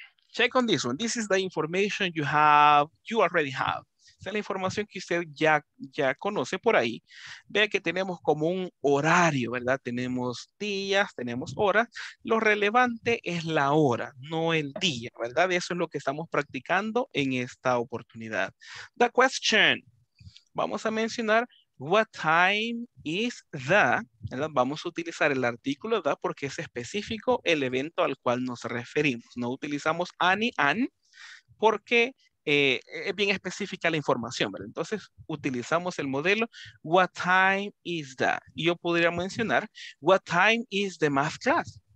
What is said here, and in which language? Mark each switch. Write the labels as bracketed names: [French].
[English] Check on this one. This is the information you already have. [Spanish] Esa es la información que usted ya conoce por ahí. Vea que tenemos como un horario, ¿verdad? Tenemos días, tenemos horas. Lo relevante es la hora, no el día, ¿verdad? Eso es lo que estamos practicando en esta oportunidad. [English] The question. [Spanish] Vamos a mencionar, [English] what time is the, [Spanish] ¿verdad? Vamos a utilizar el artículo, ¿verdad? Porque es específico el evento al cual nos referimos. No utilizamos any, an, porque es bien específica la información, ¿verdad? Entonces, utilizamos el modelo, [English] what time is that? [Spanish] Yo podría mencionar, [English] what time is the math class?